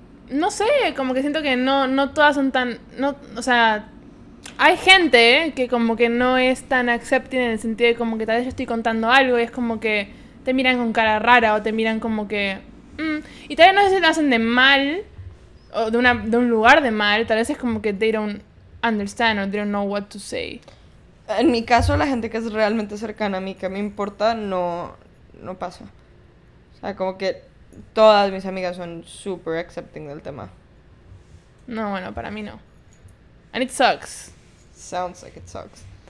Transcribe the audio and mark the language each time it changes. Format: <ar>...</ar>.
<es>No sé, como que siento que no todas son tan... No, o sea, hay gente que como que no es tan</es> <en>accepting</en> <es>en el sentido de como que tal vez yo estoy contando algo y es como que te miran con cara rara o te miran como que... Y tal vez no sé si lo hacen de mal o de un lugar de mal. Tal vez es como que</es> <en>they don't understand or they don't know what to say.</en> <es>En mi caso, la gente que es realmente cercana a mí, que me importa, no pasa. O sea, como que... Todas mis amigas son super</es> <en>accepting</en> <es>del tema. No, bueno, para mí no.</es> <en>And it sucks. Sounds like it sucks.</en>